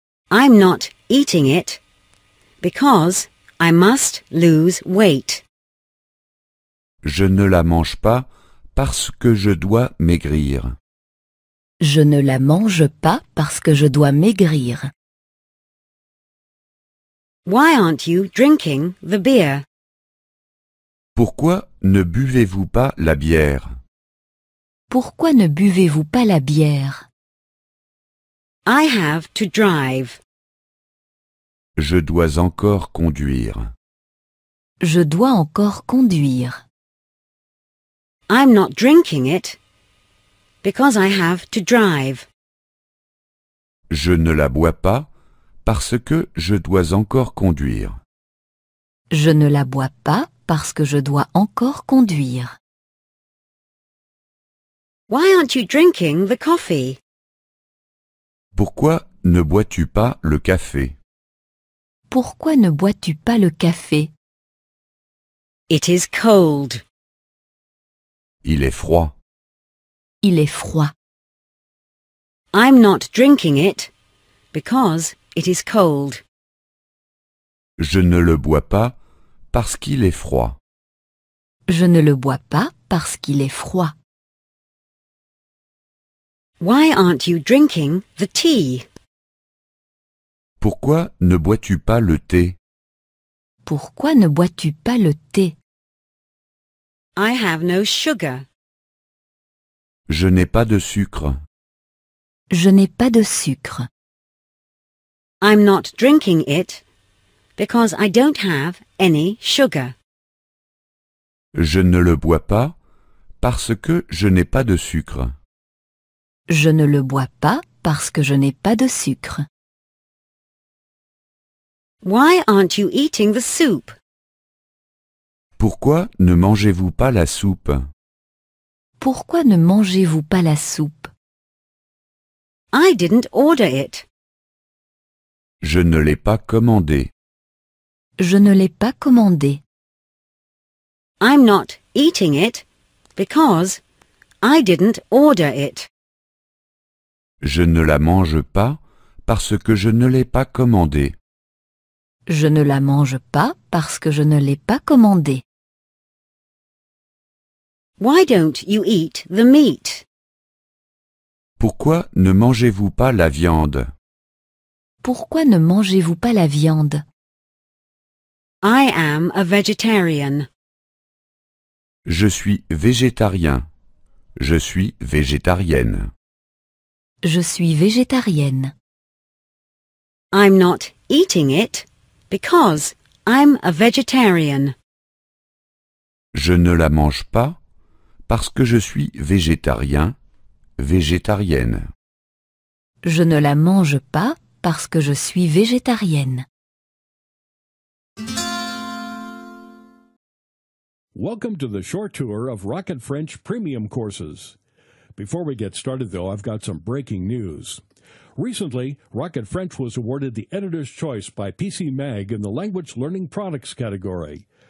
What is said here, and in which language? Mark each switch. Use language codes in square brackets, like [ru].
[en] I'm not eating it because I must lose weight. [fr] Je ne la mange pas parce que je dois maigrir. Je ne la mange pas parce que je dois maigrir. [en] Why aren't you drinking the beer? [fr] Pourquoi ne buvez-vous pas la bière? Pourquoi ne buvez-vous pas la bière? [en] I have to drive. [fr] Je dois encore conduire. Je dois encore conduire. [en] I'm not drinking it because I have to drive. [fr] Je ne la bois pas parce que je dois encore conduire. Je ne la bois pas parce que je dois encore conduire. [en] Why aren't you drinking the coffee? [fr] Pourquoi ne bois-tu pas le café? Pourquoi ne bois-tu pas le café? [en] It is cold. [fr] Il est froid. Il est froid. [en] I'm not drinking it because it is cold. [fr] Je ne le bois pas parce qu'il est froid. Je ne le bois pas parce qu'il est froid. [en] Why aren't you drinking the tea? [fr] Pourquoi ne bois-tu pas le thé? Pourquoi ne bois-tu pas le thé? [en] I have no sugar. [fr] Je n'ai pas de sucre. Je n'ai pas de sucre. [en] I'm not drinking it because I don't have any sugar. [fr] Je ne le bois pas parce que je n'ai pas de sucre. Je ne le bois pas parce que je n'ai pas de sucre. [en] Why aren't you eating the soup? [fr] Pourquoi ne mangez-vous pas la soupe? Pourquoi ne mangez-vous pas la soupe? [en] I didn't order it. [fr] Je ne l'ai pas commandé. Je ne l'ai pas commandé. [en] I'm not eating it because I didn't order it. [fr] Je ne la mange pas parce que je ne l'ai pas commandé. Je ne la mange pas parce que je ne l'ai pas commandé. [en] Why don't you eat the meat? [fr] Pourquoi ne mangez-vous pas la viande? Pourquoi ne mangez-vous pas la viande? [en] I am a vegetarian. [fr] Je suis végétarien. Je suis végétarienne. Je suis végétarienne. [en] I'm not eating it because I'm a vegetarian. [fr] Je ne la mange pas parce que je suis végétarien, végétarienne. Je ne la mange pas parce que je suis végétarienne. [en] Welcome to the short tour of Rocket French premium courses. Before we get started, though, I've got some breaking news. Recently, Rocket French was awarded the Editor's Choice by PC Mag in the Language Learning Products category.